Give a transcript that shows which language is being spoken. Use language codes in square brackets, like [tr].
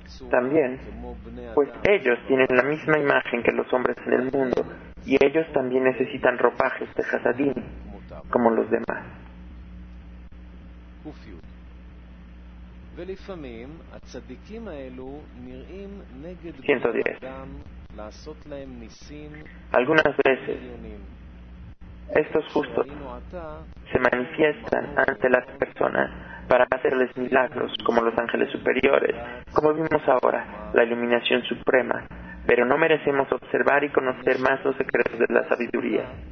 [es] También, pues ellos tienen la misma imagen que los hombres en el mundo, y ellos también necesitan ropajes de Hasadim, como los demás. [he] ולפעמים הצדיקים האלו נראים נגד בני אדם לעשות להם ניסים. [es] Algunas veces estos justos se manifiestan ante las personas para hacerles milagros como los ángeles superiores, como vimos ahora la iluminación suprema, pero no merecemos observar y conocer más los secretos de la sabiduría.